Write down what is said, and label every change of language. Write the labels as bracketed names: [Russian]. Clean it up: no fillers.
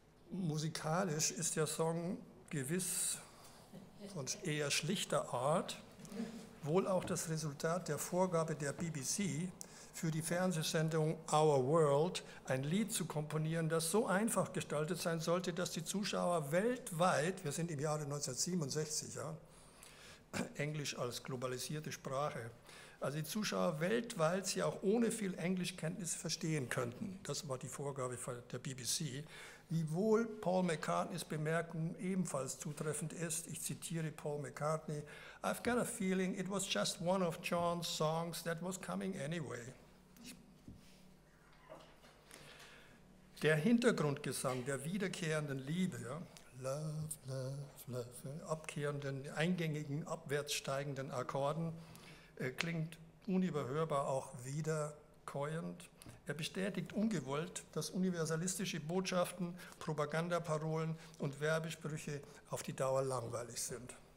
[German] Musikalisch ist der Song gewiss und eher schlichter Art, wohl auch das Resultat der Vorgabe der BBC, für die Fernsehsendung Our World ein Lied zu komponieren, das so einfach gestaltet sein sollte, dass die Zuschauer weltweit, wir sind im Jahre 1967, ja, Englisch als globalisierte Sprache, also die Zuschauer weltweit sie auch ohne viel Englischkenntnis verstehen könnten. Das war die Vorgabe der BBC. Wiewohl Paul McCartneys Bemerkung ebenfalls zutreffend ist, ich zitiere Paul McCartney, [English] I've got a feeling it was just one of John's songs that was coming anyway. [German] Der Hintergrundgesang der wiederkehrenden Liebe, ja, [English] love, love, love, [German] abkehrenden, eingängigen, abwärts steigenden Akkorden, klingt unüberhörbar auch wiederkäuend. Er bestätigt ungewollt, dass universalistische Botschaften, Propagandaparolen und Werbesprüche auf die Dauer langweilig sind.